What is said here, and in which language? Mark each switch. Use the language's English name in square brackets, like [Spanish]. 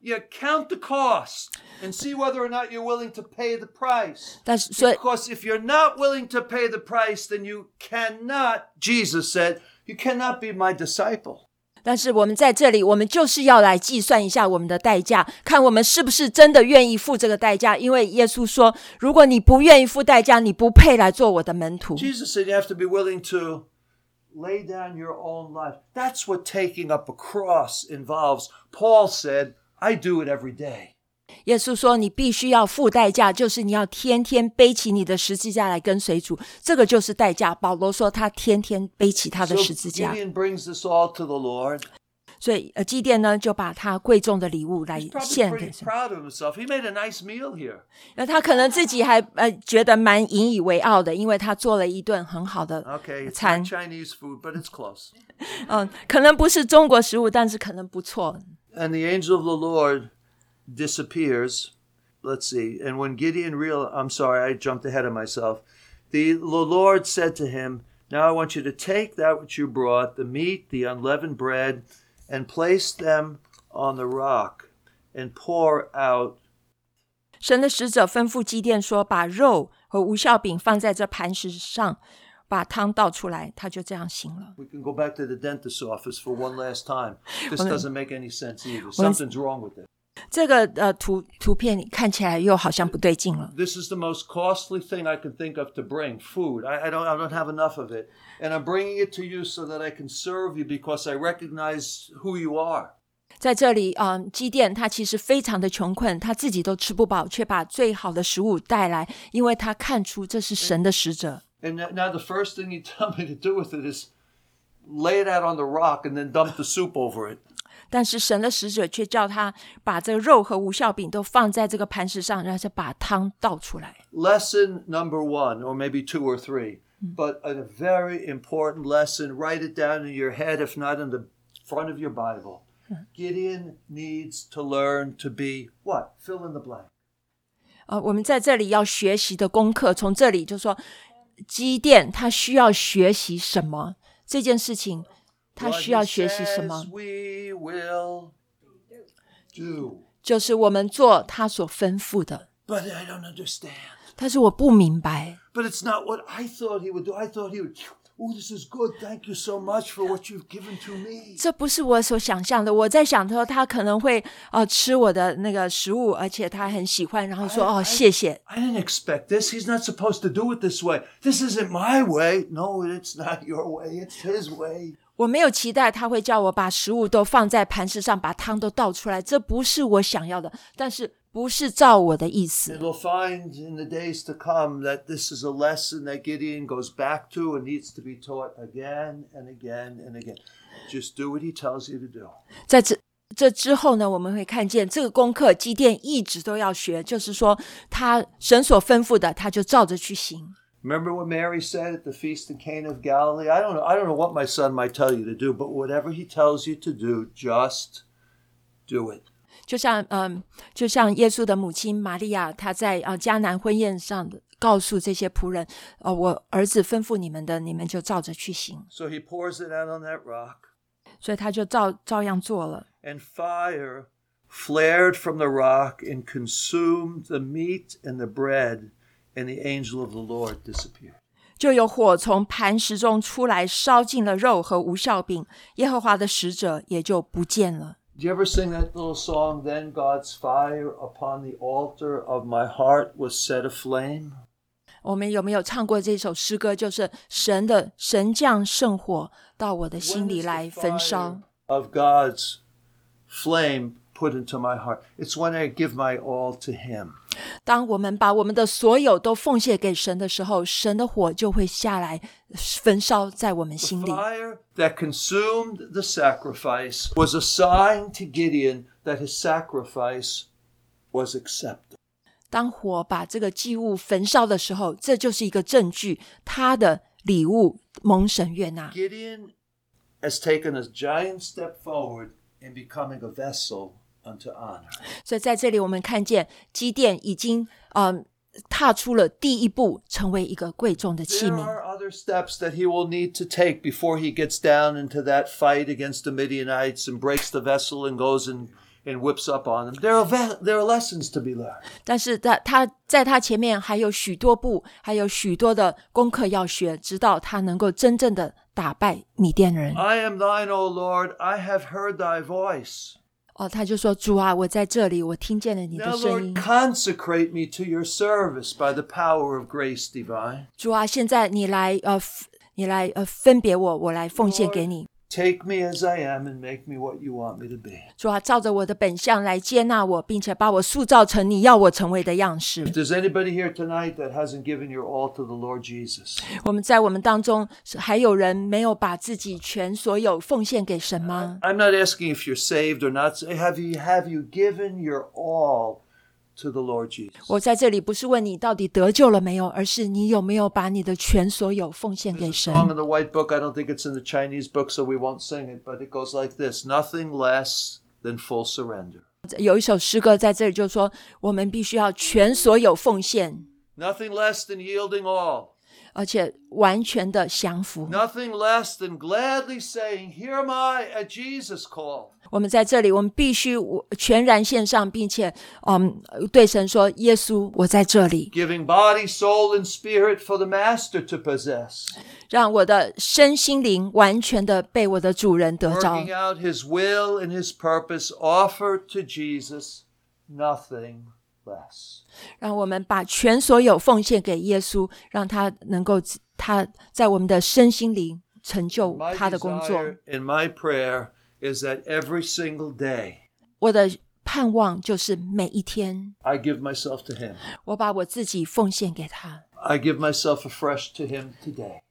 [English] Yeah, count the cost. And see whether or not you're willing to pay the price. Because if you're not willing to pay the price, then you cannot, Jesus said, you cannot be my disciple. [Chinese] 但是我们在这里，我们就是要来计算一下我们的代价，看我们是不是真的愿意付这个代价。因为耶稣说，如果你不愿意付代价，你不配来做我的门徒。 [English] Jesus said you have to be willing to lay down your own life. That's what taking up a cross involves. Paul said, I do it every day. [Chinese] 耶稣说你必须要付代价，就是你要天天背起你的十字架来跟随主，这个就是代价。保罗说他天天背起他的十字架。 [English] So Gideon brings this all to the Lord. [Chinese] 所以基甸呢就把他贵重的礼物来献给神。 [English] He's probably pretty proud of himself. He made a nice meal here. [Chinese] 那他可能自己还觉得蛮引以为傲的，因为他做了一顿很好的餐。 [English] Okay, it's not Chinese food, but it's close. [Chinese] 可能不是中国食物，但是可能不错。 [English] And the angel of the Lord... disappears. Let's see. And when Gideon realized, I'm sorry, I jumped ahead of myself. The Lord said to him, now I want you to take that which you brought, the meat, the unleavened bread, and place them on the rock and pour out. [Chinese] 神的使者吩咐基甸说，把肉和无酵饼放在这磐石上，把汤倒出来，他就这样行了。 [English] We can go back to the dentist's office for one last time. This doesn't make any sense either. Something's wrong with it. [Chinese] 这个图片看起来又好像不对劲了。 [English] This is the most costly thing I can think of to bring, food. I don't have enough of it. And I'm bringing it to you so that I can serve you because I recognize who you are. [Chinese] 在这里基甸他其实非常的穷困，他自己都吃不饱，却把最好的食物带来，因为他看出这是神的使者。 [English] And now the first thing you tell me to do with it is lay it out on the rock and then dump the soup over it. [Chinese] 但是神的使者却叫他把这个肉和无酵饼都放在这个磐石上，然后把汤倒出来。 [English] Lesson number one, or maybe two or three, but a very important lesson. Write it down in your head, if not in the front of your Bible. Gideon needs to learn to be what? Fill in the blank. [Chinese] 我们在这里要学习的功课，从这里就说基甸他需要学习什么这件事情。他需要学习什么 [English] we will do. [Chinese] 就是我们做他所吩咐的 [English] But I don't understand. [Chinese] 但是我不明白 [English] But it's not what I thought he would do. I thought he would Oh, this is good. Thank you so much for what you've given to me. [Chinese] 这不是我所想象的。我在想说他可能会吃我的那个食物，而且他很喜欢，然后说哦，谢谢。 [English] I didn't expect this. He's not supposed to do it this way. This isn't my way. No, it's not your way. It's his way. [Chinese] 我没有期待他会叫我把食物都放在盘子上，把汤都倒出来。这不是我想要的，但是不是照我的意思。 [English] And we'll find in the days to come that this is a lesson that Gideon goes back to and needs to be taught again and again and again. Just do what he tells you to do. [Chinese] 在 这之后呢，我们会看见这个功课基甸一直都要学，就是说他神所吩咐的，他就照着去行。 [English] Remember what Mary said at the feast in Cana of Galilee? I don't know what my son might tell you to do, but whatever he tells you to do, just do it. [Chinese] 就像就像耶稣的母亲玛利亚，她在迦南婚宴上告诉这些仆人，我儿子吩咐你们的，你们就照着去行。 [English] So he pours it out on that rock. [Chinese] 所以他就照样做了。 [English] And fire flared from the rock and consumed the meat and the bread. And the angel of the Lord disappeared. [Chinese] 就有火从磐石中出来，烧尽了肉和无酵饼，耶和华的使者也就不见了。 [English] Do you ever sing that little song? Then God's fire upon the altar of my heart was set aflame. [Chinese] 我们有没有唱过这首诗歌？就是神降圣火到我的心里来焚烧。 [English] When is the fire of God's flame put into my heart? It's when I give my all to Him. [Chinese] 当我们把我们的所有都奉献给神的时候，神的火就会下来焚烧在我们心里。 [English] The fire that consumed the sacrifice was a sign to Gideon that his sacrifice was accepted. [Chinese] 当火把这个祭物焚烧的时候，这就是一个证据，他的礼物蒙神悦纳。 [English] Gideon has taken a giant step forward in becoming a vessel. [Chinese] 所以在这里我们看见基甸已经踏出了第一步，成为一个贵重的器皿。 [English] There are other steps that he will need to take before he gets down into that fight against the Midianites and breaks the vessel and goes and whips up on them. There are lessons to be learned. [Chinese] 但是他在他前面还有许多步，还有许多的功课要学，直到他能够真正的打败米甸人。 [English] I am thine, O Lord. I have heard thy voice. [Chinese] 哦，他就说：“主啊，我在这里，我听见了你的声音。” [English] Now, Lord, consecrate me to your service by the power of grace divine. [Chinese] 主啊，现在你来分别我，我来奉献给你。 [English] Lord, take me as I am and make me what you want me to be. [Chinese] 主啊，照着我的本相来接纳我，并且把我塑造成你要我成为的样式。 [English] If there's anybody here tonight that hasn't given your all to the Lord Jesus, [Chinese] 我们在我们当中还有人没有把自己全所有奉献给神吗？ [English] I'm not asking if you're saved or not. Have you given your all to the Lord Jesus? [Chinese] 我在这里不是问你到底得救了没有，而是你有没有把你的全所有奉献给神。 [English] There's a song in the white book. I don't think it's in the Chinese book, so we won't sing it. But it goes like this: Nothing less than full surrender. [Chinese] 有一首诗歌在这里就说，我们必须要全所有奉献。 [English] Nothing less than yielding all. [Chinese] 而且完全的降服。 [English] Nothing less than gladly saying, "Here am I at Jesus' call." [Chinese] 我们在这里，我们必须全然献上，并且，对神说：“耶稣，我在这里。” [English] Giving body, soul, and spirit for the master to possess. [Chinese] 让我的身心灵完全的被我的主人得着。 [English] Working out his will and his purpose, offer to Jesus nothing less. [Chinese] 让我们把全所有奉献给耶稣，让他能够他在我们的身心灵成就他的工作。 [English] My desire and my prayer. Is that every single day? [Chinese] 我的盼望就是每一天。 [English] I give myself to Him. [Chinese] 我把我自己奉献给他。 [English] I give myself afresh to Him today.